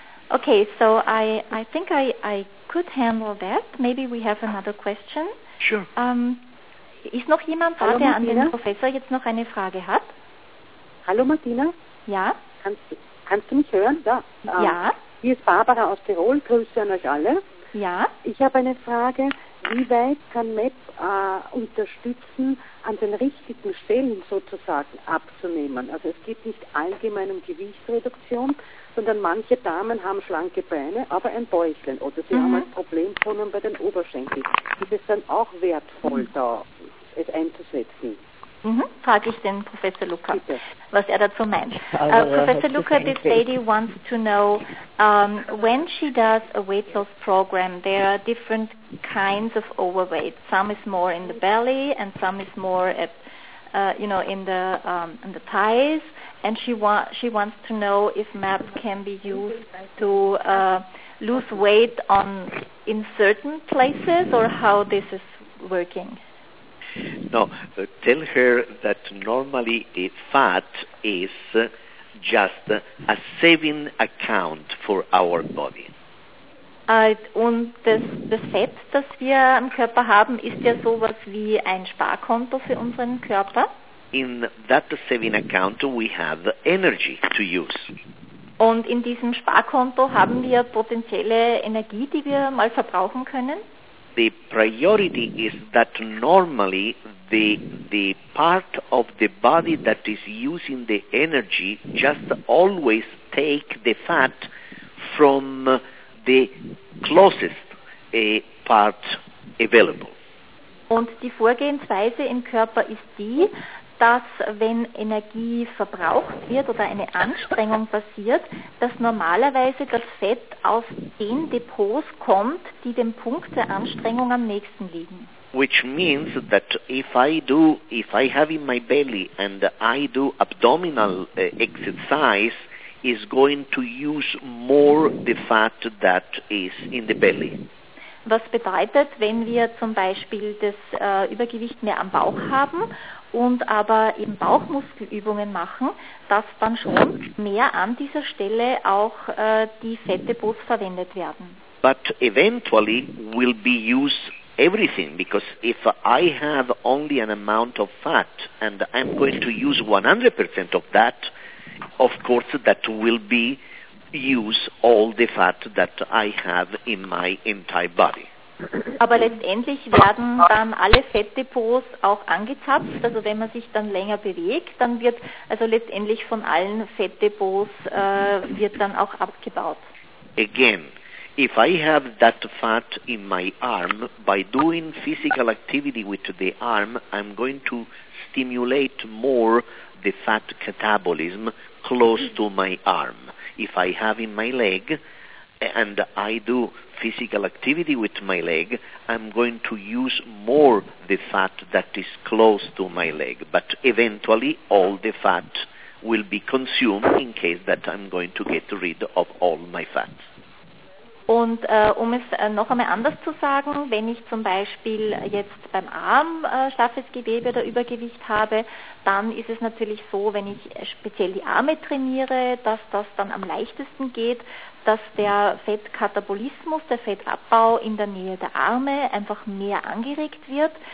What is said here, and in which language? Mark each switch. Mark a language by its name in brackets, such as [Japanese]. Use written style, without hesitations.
[English] Okay, so I think I could handle that. Maybe we have another question. Sure. [German] Ist noch jemand da, der an den Professor jetzt noch eine Frage hat? Hallo Martina? Ja? Kannst du mich hören? Ja. Ja. Hier ist Barbara aus Tirol. Grüße an euch alle. Ja. Ich habe eine Frage. Wie weit kann MEP unterstützen, an den richtigen Stellen sozusagen abzunehmen? Also es geht nicht allgemein um Gewichtsreduktion, sondern manche Damen haben schlanke Beine, aber ein Bäuchlein. Oder sie haben ein Problem bei den Oberschenkeln. Ist es dann auch wertvoll, da es einzusetzen? Frage ich den Professor Luca, was er dazu meint. [English] Professor Luca, this lady wants to know, when she does a weight loss program, there are different kinds of overweight. Some is more in the belly and some is more at, in the thighs. And she wants to know if MAP can be used to lose weight in certain places or how this is working. No, tell her that normally fat is just a saving account for our body. [German] Und das Fett, das wir am Körper haben, ist ja sowas wie ein Sparkonto für unseren Körper. [English] In that saving account we have energy to use. [German] Und in diesem Sparkonto haben wir potenzielle Energie, die wir mal verbrauchen können. [English] The priority is that normally the part of the body that is using the energy just always take the fat from the closest part available. [German] Und die Vorgehensweise im Körper ist die, dass wenn Energie verbraucht wird oder eine Anstrengung passiert, dass normalerweise das Fett aus den Depots kommt, die dem Punkt der Anstrengung am nächsten liegen. [English] Which means that if I have in my belly and I do abdominal exercise, is going to use more the fat that is in the belly. [German] Was bedeutet, wenn wir zum Beispiel das Übergewicht mehr am Bauch haben und aber eben Bauchmuskelübungen machen, dass dann schon mehr an dieser Stelle auch die Fettdepots verwendet werden. [English] But eventually will be used everything, because if I have only an amount of fat and I'm going to use 100% of that, of course that will be use all the fat that I have in my entire body. [German] Aber letztendlich werden dann alle Fettdepots auch angezapft, also wenn man sich dann länger bewegt, dann wird also letztendlich von allen Fettdepots wird dann auch abgebaut. [English] Again, if I have that fat in my arm, by doing physical activity with the arm, I'm going to stimulate more the fat catabolism close to my arm. If I have in my leg and I do physical activity with my leg, I'm going to use more the fat that is close to my leg. But eventually all the fat will be consumed in case that I'm going to get rid of all my fat. [German] Und um es noch einmal anders zu sagen, wenn ich zum Beispiel jetzt beim Arm straffes Gewebe oder Übergewicht habe, dann ist es natürlich so, wenn ich speziell die Arme trainiere, dass das dann am leichtesten geht, dass der Fettkatabolismus, der Fettabbau in der Nähe der Arme einfach mehr angeregt wird.